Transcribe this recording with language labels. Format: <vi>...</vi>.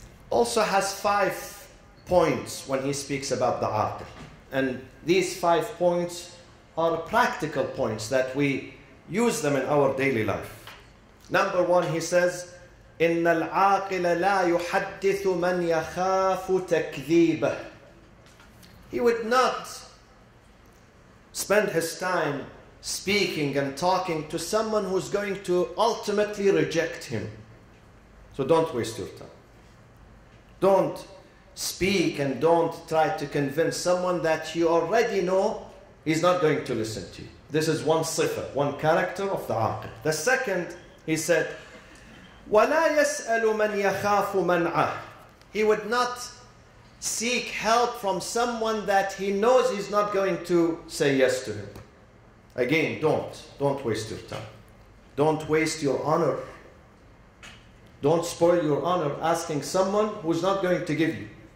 <en>Also has 5 points when he speaks about the aql. And these 5 points are practical points that we use them in our daily life. Number one, he says,</en> <ar>إِنَّ الْعَاقِلَ لَا يُحَدِّثُ مَنْ يَخَافُ تَكْذِيبَهُ.</ar> <en>He would not spend his time speaking and talking to someone who's going to ultimately reject him. So don't waste your time. Don't speak and don't try to convince someone that you already know he's not going to listen to you. This is one sifa, one character of the aqil. The second, he said,</en> <ar>وَلَا يَسْأَلُ مَنْ يَخَافُ مَنْعَهُ.</ar> <en>He would not seek help from someone that he knows he's not going to say yes to him. Again, don't waste your time. Don't waste your honor. Don't spoil your honor asking someone who's not going to give you.</en>